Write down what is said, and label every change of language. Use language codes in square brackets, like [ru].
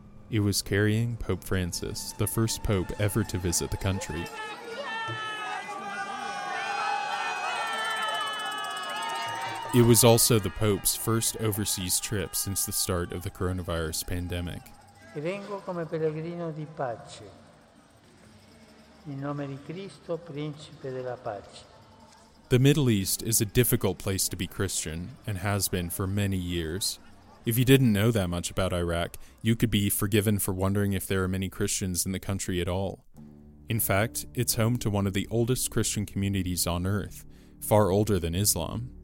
[en] It was carrying Pope Francis, the first pope ever to visit the country. It was also the Pope's first overseas trip since the start of the coronavirus pandemic. [it] Vengo come pellegrino di pace, in nome di Cristo, principe della pace. [en] The Middle East is a difficult place to be Christian, and has been for many years. If you didn't know that much about Iraq, you could be forgiven for wondering if there are many Christians in the country at all. In fact, it's home to one of the oldest Christian communities on earth, far older than Islam.